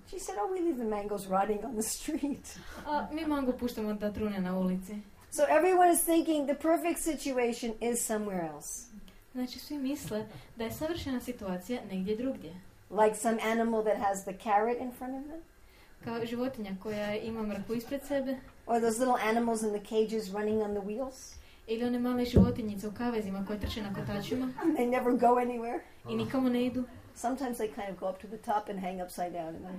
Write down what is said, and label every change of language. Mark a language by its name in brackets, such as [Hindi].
[English] She said, oh, we leave the mangoes rotting on the street. [Croatian] A mi mango puštamo da trune na ulici. [English] So everyone is thinking the perfect situation is somewhere else. [Croatian] Znači svi misle da je savršena situacija negdje drugdje. [English] Like some animal that has the carrot in front of them. [Croatian] Kao životinja koja ima mrkvu ispred sebe. [English] Or those little animals in the cages running on the wheels. [Croatian] Ili one male životinjice u kavezima koje trče na kotačima. [English] And they never go anywhere. [Croatian] I nikomu ne idu. [English] Sometimes they kind of go up to the top and hang upside down.